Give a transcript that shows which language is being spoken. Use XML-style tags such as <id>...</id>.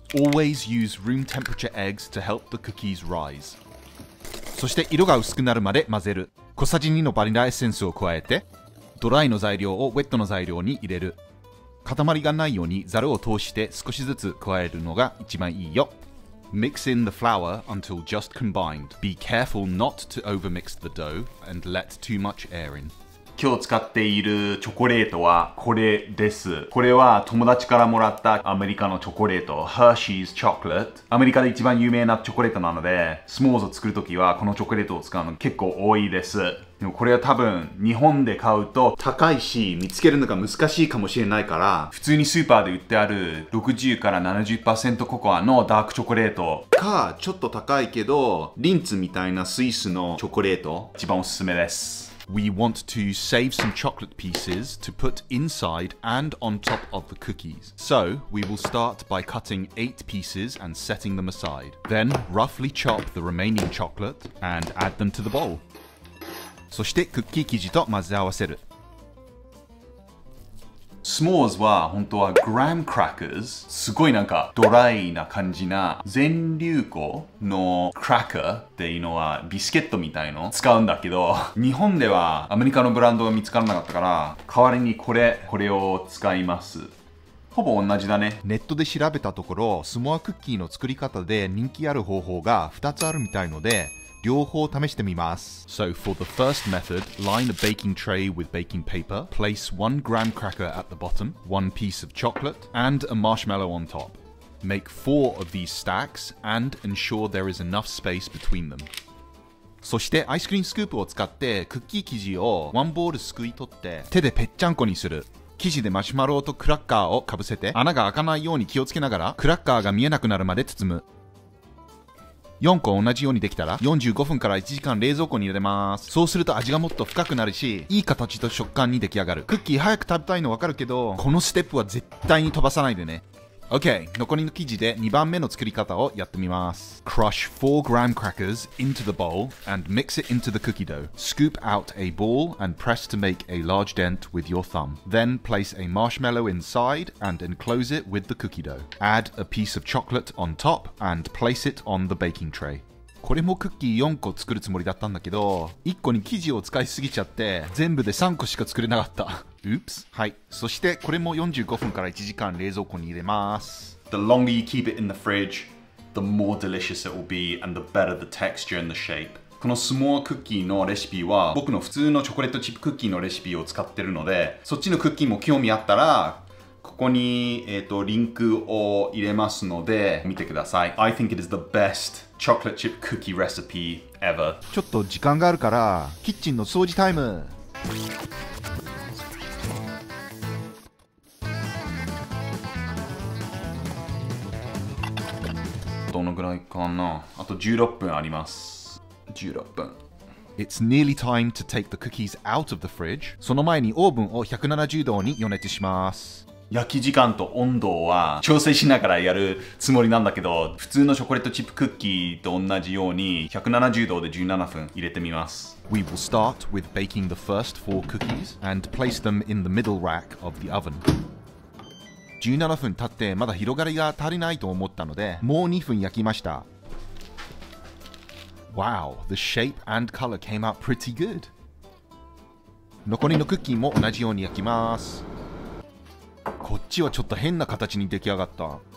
<en>Always use room temperature eggs to help the cookies rise。</en> <ja>そして色が薄くなるまで混ぜる。小さじ2のバニラエッセンスを加えて、ドライの材料をウェットの材料に入れる。塊がないようにザルを通して少しずつ加えるのが一番いいよ。</ja> <en>Mix in the flour until just combined. Be careful not to overmix the dough and let too much air in.</en> <ja>今日使っているチョコレートはこれです。これは友達からもらったアメリカのチョコレート、 Hershey's Chocolate。アメリカで一番有名なチョコレートなので、スモーズを作るときはこのチョコレートを使うの結構多いです。でもこれは多分日本で買うと高いし、見つけるのが難しいかもしれないから、普通にスーパーで売ってある 60-70% ココアのダークチョコレートか、ちょっと高いけどリンツみたいなスイスのチョコレート、一番おすすめです。</ja> <en>We want to save some chocolate pieces to put inside and on top of the cookies. So, we will start by cutting 8 pieces and setting them aside. Then, roughly chop the remaining chocolate and add them to the bowl.</en> <ja>そしてクッキー生地と混ぜ合わせる。スモーズは本当はグラムクラッカーズ、すごいなんかドライな感じな全粒粉のクラッカーっていうのはビスケットみたいの使うんだけど、日本ではアメリカのブランドが見つからなかったから、代わりにこれを使います。ほぼ同じだね。ネットで調べたところ、スモアクッキーの作り方で人気ある方法が2つあるみたいので、両方試してみます。</ja> <en>So for the first method, line a baking tray with baking paper, place one graham cracker at the bottom, one piece of chocolate, and a marshmallow on top. Make four of these stacks and ensure there is enough space between them.</en> <ja>そしてアイスクリームスクープを使ってクッキー生地をワンボールすくい取って手でぺっちゃんこにする。生地でマシュマロとクラッカーをかぶせて、穴が開かないように気をつけながらクラッカーが見えなくなるまで包む。 4個同じようにできたら45分から1時間冷蔵庫に入れます。そうすると味がもっと深くなるし、いい形と食感に出来上がる。クッキー早く食べたいの分かるけど、このステップは絶対に飛ばさないでね。 OK、 残りの生地で2番目の作り方をやってみます。</ja> <en>Crush 4 graham crackers into the bowl and mix it into the cookie dough. Scoop out a ball and press to make a large dent with your thumb. Then place a marshmallow inside and enclose it with the cookie dough. Add a piece of chocolate on top and place it on the baking tray.</en> <ja>これもクッキー4個作るつもりだったんだけど、1個に生地を使いすぎちゃって全部で3個しか作れなかった。</ja> <en>Oops.</en> <ja>はい。そしてこれも45分から1時間冷蔵庫に入れます。</ja> <en>The longer you keep it in the fridge, the more delicious it will be and the better the texture and the shape.</en> <ja>このスモアクッキーのレシピは僕の普通のチョコレートチップクッキーのレシピを使ってるのでそっちのクッキーも興味あったらここに、リンクを入れますので見てください</ja> <en>I think it is the best chocolate chip cookie recipe ever</en> <ja>ちょっと時間があるからキッチンの掃除タイムどのぐらいかなあと16分あります16分</ja> <en>It's nearly time to take the cookies out of the fridge.</en> <ja>その前にオーブンを170度に予熱します。焼き時間と温度は調整しながらやるつもりなんだけど、普通のチョコレートチップクッキーと同じように170度で17分入れてみます。</ja> <en>We will start with baking the first four cookies and place them in the middle rack of the oven.</en> <ja>17分経ってまだ広がりが足りないと思ったので、もう2分焼きました。</ja> <en>Wow, the shape and color came out pretty good.</en> <ja>残りのクッキーも同じように焼きます。こっちはちょっと変な形に出来上がった。</ja>